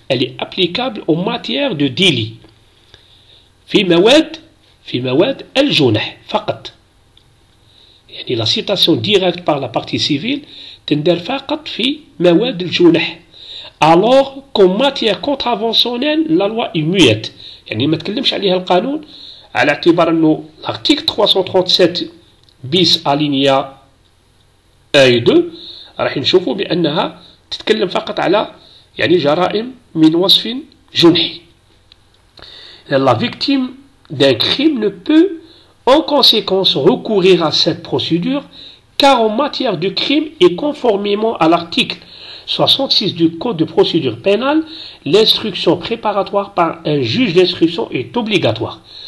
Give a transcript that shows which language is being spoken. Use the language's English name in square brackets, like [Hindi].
[French] Elle est applicable en matière de délit. [Arabic] في مواد الجنح فقط. يعني [French] la citation directe par la partie civile [Arabic] تندر فقط في مواد الجنح. [French] Alors qu'en matière contraventionnelle, la loi est muette. [Arabic] يعني ما تكلمش عليها القانون على اعتبار انه الارتيكل 337 بيس الينيا اي 2 راح نشوفوا بانها تتكلم فقط على يعني جرائم من وصف جنحي. [French] La victime d'un crime ne peut en conséquence recourir à cette procédure car en matière de crime et conformément à l'article 66 du code de procédure pénale, l'instruction préparatoire par un juge d'instruction est obligatoire.